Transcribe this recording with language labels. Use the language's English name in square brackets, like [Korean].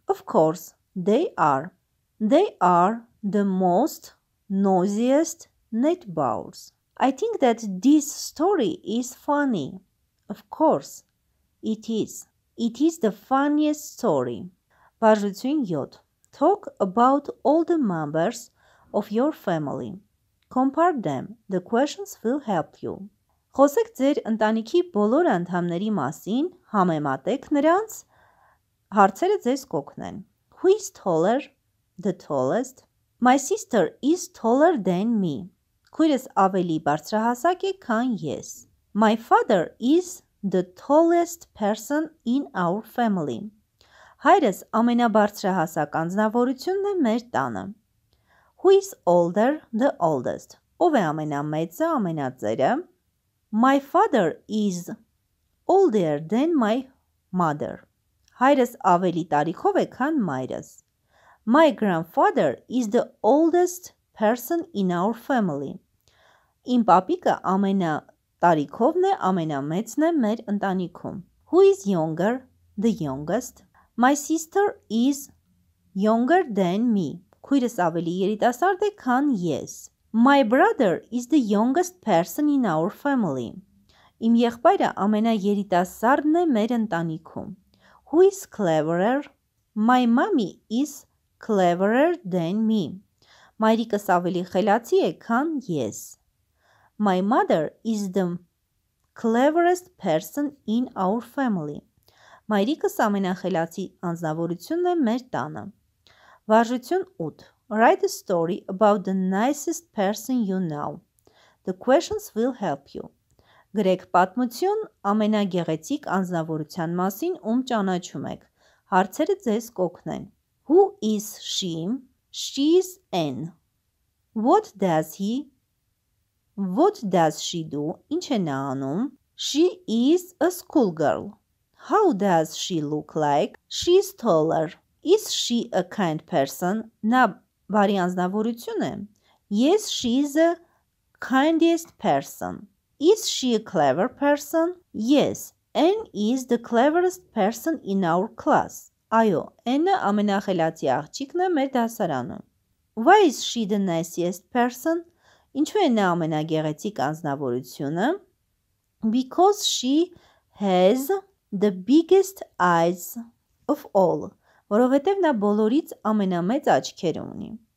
[English] Of course, they are. They are the most noisiest neighbors. I think that this story is funny. Of course, it is. It is the funniest story. [Armenian] Բարժություն 7. [English] Talk about all the members of your family. Compare them. The questions will help you. [Armenian] Խոսեք ձեր ընտանիքի բոլոր անդամների մասին, համեմատեք նրանց, հարցերը ձեզ կօգնեն։ [English] Who is taller? The tallest. My sister is taller than me. [Armenian] Քույրս ավելի բարձրահասակ է, քան ես։ [English] My father is the tallest person in our family. [Armenian] Հայրս ամենաբարձրահասակ անձնավորությունն է մեր տանը։ [English] Who is older? The oldest. [Armenian] Ով է ամենամեծը, ամենածերը։ [English] My father is older than my mother. [Armenian] Հայրս ավելի տարիքով է, քան մայրս։ [English] My grandfather is the oldest person in our family. [Armenian] Իմ պապիկը ամենա տարիքովն է, ամենամեծն է մեր ընտանիքում։ [English] Who is younger? The youngest. My sister is younger than me. [Armenian] Քույրս ավելի երիտասարդ է, քան ես. [English] My brother is the youngest person in our family. [Armenian] Իմ եղբայրը ամենաերիտասարդն է մեր ընտանիքում. [English] Who is cleverer? My mommy is cleverer than me. [Armenian] Մայրիկս ավելի խելացի է, քան ես. [English] My mother is the cleverest person in our family. [Armenian] Մայրիկս ամենախելացի անձնավորությունն է մեր տանը. Վարժություն 8. [English] Write a story about the nicest person you know. The questions will help you. [Armenian] Գրեք պատմություն ամենագեղեցիկ անձնավորության մասին, ում ճանաչում եք. Հարցերը ձեզ կօգնեն. [English] Who is she? She's N. What does he? What does she do? [Armenian] Ինչ է նա անում? [English] She is a schoolgirl. How does she look like? She's taller. Is she a kind person? [Armenian] Նա բարի անձնավորություն է. [English] Yes, she's a kindest person. Is she a clever person? Yes, Anne is the cleverest person in our class. [Armenian] Այո, Anne-ը ամենախելացի աղջիկն է մեր դասարանում. [English] Why is she the nicest person? [Armenian] Ինչու է նա ամենագեղեցիկ անձնավորությունը? [English] Because she has the biggest eyes of all. [Armenian] Որովհետև նա բոլորից ամենամեծ աչքեր ունի.